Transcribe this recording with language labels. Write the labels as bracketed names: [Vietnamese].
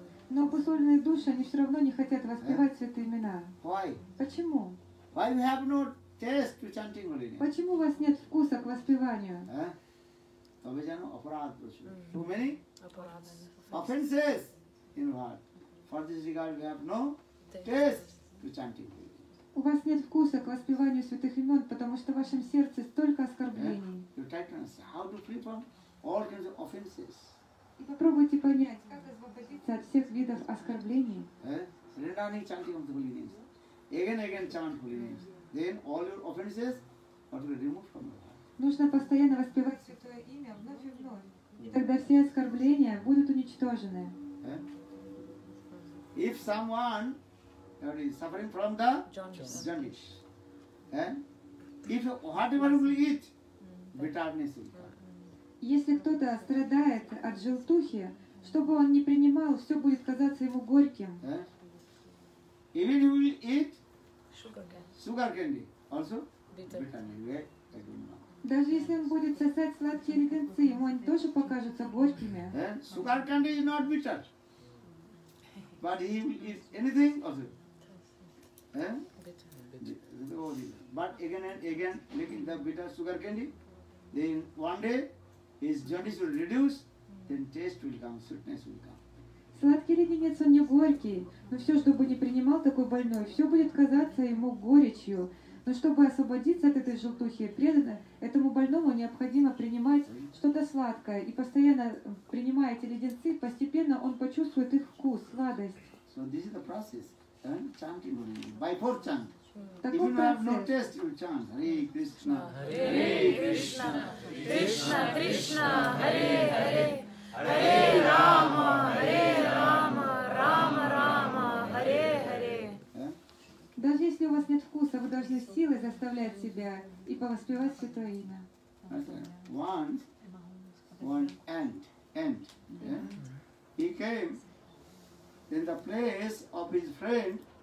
[Russian] Но обусловленные души, они все равно не хотят воспевать святые имена. [English] Why? [Russian] Почему? [English] Why you have no taste to chanting holy name? [Russian] Почему у вас нет вкуса к воспеванию? [English] Too many? Offenses in heart. For this regard, we have no taste to chanting holy name. [Russian] У вас нет вкуса к воспеванию святых имен, потому что в вашем сердце столько оскорблений. [English] You try to understand how to free from all kinds of offenses. [Russian] И попробуйте понять, как освободиться от всех видов оскорблений. [English] Renani chanting of the holy names. Again chant holy names. Then all your offenses are removed from your heart. [Russian] Нужно постоянно воспевать святое имя вновь и вновь. И тогда все оскорбления будут уничтожены. [English] If someone that is suffering from the jaundice. If whatever you eat, bitterness will come. [Russian] Если кто-то страдает от желтухи, что бы он ни принимал, все будет казаться ему горьким. [English] Even you will eat sugar candy, also bitter. [Russian] Даже если он будет сосать сладкие леденцы, ему они тоже покажутся горькими. [English] Sugar candy is not bitter, but he will eat anything also. But again and again, making the bitter sugar candy, then one day his jaundice will reduce, then taste will come, sweetness will come. [Russian] Сладкий леденец, он не горький, но все, что бы не принимал такой больной, все будет казаться ему горечью. Но чтобы освободиться от этой желтухи, преданно этому больному необходимо принимать что-то сладкое. И постоянно принимая эти леденцы, постепенно он почувствует их вкус, сладость. [English] So this is the process. Chanting only. By four chant. [Russian] Такой [English] if you have no taste, you chant [Sanskrit] Hare Krishna, Hare Krishna, Krishna Krishna, Hare Hare, Hare Rama, Hare Rama, Rama Rama, Hare Hare. [Russian] Даже если у вас нет вкуса, вы должны силы заставлять себя и повоспевать святое имя. [English] One ant. He came in the place of his friend,